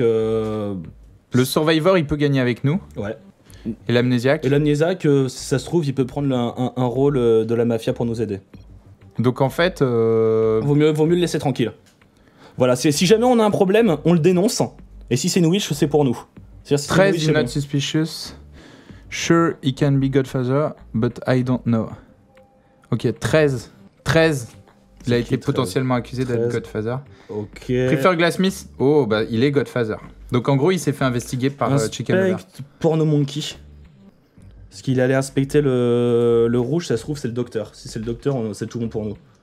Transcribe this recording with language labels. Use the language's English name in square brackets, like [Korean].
[French] Le survivor, il peut gagner avec nous. Ouais. Et l'amnésiaque ? Et l'amnésiaque, si ça se trouve, il peut prendre un rôle de la mafia pour nous aider. Donc en fait... Vaut mieux le laisser tranquille. Voilà, si jamais on a un problème, on le dénonce. Et si c'est une witch, c'est pour nous. [English] C'est 13 is not suspicious. Sure, he can be Godfather, but I don't know. Ok, 13. 13. [French] Il a été potentiellement accusé d'être Godfather. Ok. Prefer Glassmith. Oh, bah, il est Godfather. Donc en gros, il s'est fait investiguer par Chicken Lover. [English] Inspect Porno Monkey. [French] Parce qu'il allait inspecter le rouge, ça se trouve, c'est le docteur. Si c'est le docteur, c'est tout bon pour nous.